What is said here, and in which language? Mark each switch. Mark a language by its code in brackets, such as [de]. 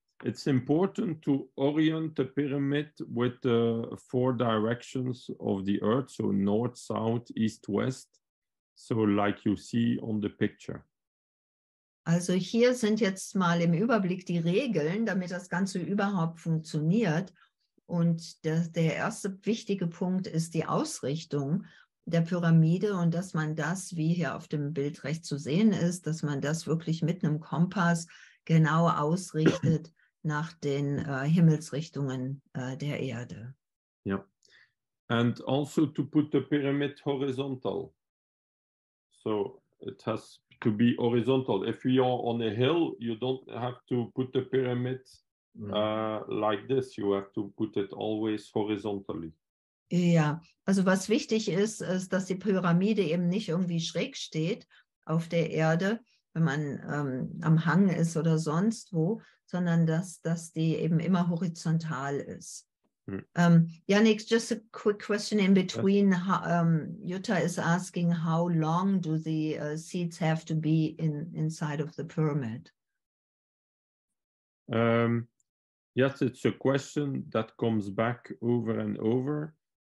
[en] It's important to orient the pyramid with the four directions of the earth, so north, south, east, west, so like you see on the picture. [de] Also hier sind jetzt mal im Überblick die Regeln, damit das Ganze überhaupt funktioniert. Und der erste wichtige Punkt ist die Ausrichtung der Pyramide und dass man das, wie hier auf dem Bild recht zu sehen ist, dass man das wirklich mit einem Kompass genau ausrichtet nach den Himmelsrichtungen der Erde. Ja. [en] And also to put the pyramid horizontal. So it has to be horizontal. If you are on a hill, you don't have to put the pyramid like this. You have to put it always horizontally. [de] Ja, also was wichtig ist, ist, dass die Pyramide eben nicht irgendwie schräg steht auf der Erde, wenn man am Hang ist oder sonst wo, sondern dass die eben immer horizontal ist. [en] Yannick, just a quick question in between. Jutta is asking, how long do the seeds have to be inside of the pyramid? Yes, it's a question that comes back over and over.